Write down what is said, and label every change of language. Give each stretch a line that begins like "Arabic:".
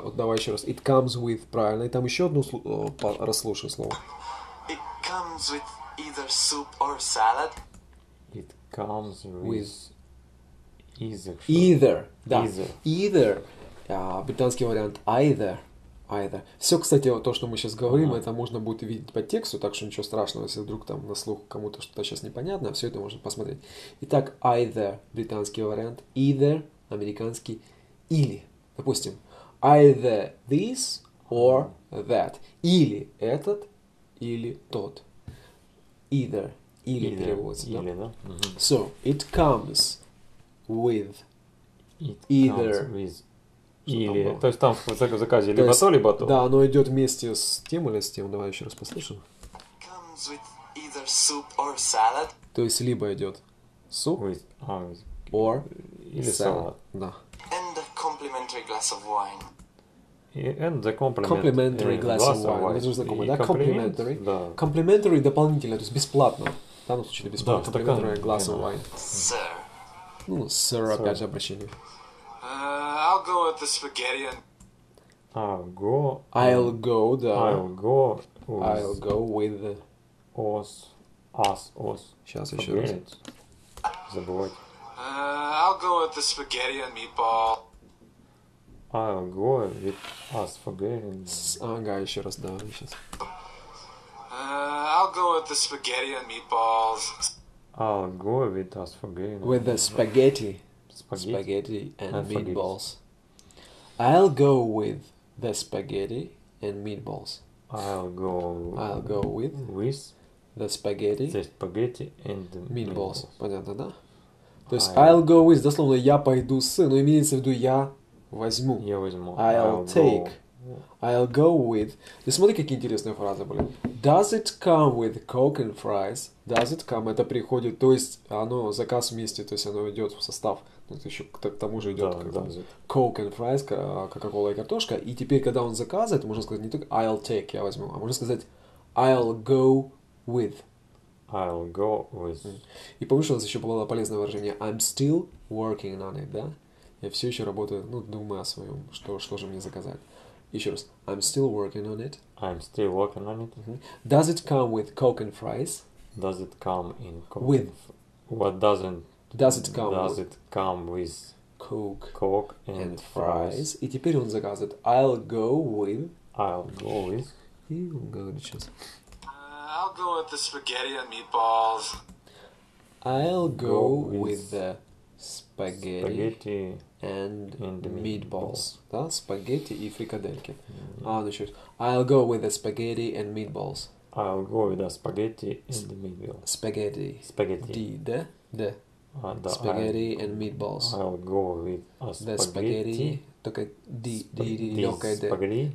Russian: Вот давай еще раз.
English: It comes with,
Russian: правильно. И там еще одно слово. Расслушай слово.
English: It comes with either soup or salad. It comes with. Either. Either.
Russian: Да.
English: Either. Either.
Russian: Британский вариант either.
English: Either.
Russian: Все, кстати, то, что мы сейчас говорим, это можно будет видеть по тексту, так что ничего страшного, если вдруг там на слух кому-то что-то сейчас непонятно, все это можно посмотреть. Итак, either, британский вариант, either, американский, или, допустим,
English: either this or that,
Russian: или этот, или тот, either, или either, переводится. Или, да? Или, да?
English: Mm-hmm. So, it comes with it either... Comes with.
Russian: Или, то есть там в заказе либо то, есть, то, либо то. Да, оно идет вместе с тем или с тем. Давай еще раз послушаем.
English: Comes with either soup or salad.
Russian: То есть либо идет суп
English: with, with, or
Russian: или салат. Да.
English: And a complimentary glass of wine. And the compliment, complimentary glass of wine.
Russian: Это же знакомое, да? Complimentary. Complimentary дополнительно, то есть бесплатно. В данном случае это бесплатно. Да,
English: complimentary glass of wine. Sir.
Russian: Ну, sir, sir. Опять же обращение.
English: I'll go with the spaghetti. I'll go. I'll go. Да. I'll go. With I'll go with the. Os. Us. Os.
Russian: Сейчас еще раз. Забывать.
English: I'll go with the spaghetti and meatball. I'll go with us spaghetti.
Russian: Ага, еще раз да, сейчас.
English: I'll go with the spaghetti and meatballs. I'll go with us spaghetti. With the spaghetti. Spaghetti, spaghetti and meatballs. Spaghetti. I'll go with the spaghetti and meatballs. I'll go with with the spaghetti and
Russian: meatballs. Понятно, да? То есть
English: I'll go with,
Russian: дословно, я пойду с, но имеется в виду я возьму. Я возьму.
English: I'll take. Go. I'll go with.
Russian: Ты смотри, какие интересные фразы были.
English: Does it come with Coke and fries? Does it come?
Russian: Это приходит, то есть оно заказ вместе, то есть оно идет в состав. Это еще к тому же идет, да, как да,
English: Coke and fries, Coca-Cola
Russian: и картошка. И теперь, когда он заказывает, можно сказать не только
English: I'll take,
Russian: я возьму, а можно сказать
English: I'll go with. I'll go with.
Russian: И помнишь, у нас еще было полезное выражение
English: I'm still working on it,
Russian: да? Я все еще работаю, ну, думаю о своем, что же мне заказать. Еще раз.
English: I'm still working on it. I'm still working on it. Does it come with Coke and fries? Does it come in Coke? With. What doesn't? Does it come? Does it come with Coke? Coke and fries.
Russian: И теперь он заказывает.
English: I'll go with. I'll go with.
Russian: И он говорит сейчас.
English: I'll go with the spaghetti and meatballs. I'll go with the spaghetti and meatballs.
Russian: Да, спагетти и фрикадельки. А, ну что ж.
English: I'll go with the spaghetti and meatballs. I'll go with the spaghetti and meatballs. Spaghetti. Spaghetti.
Russian: D, да? Да.
English: The spaghetti and meatballs. I'll go with a spaghetti.
Russian: Только di легкая d.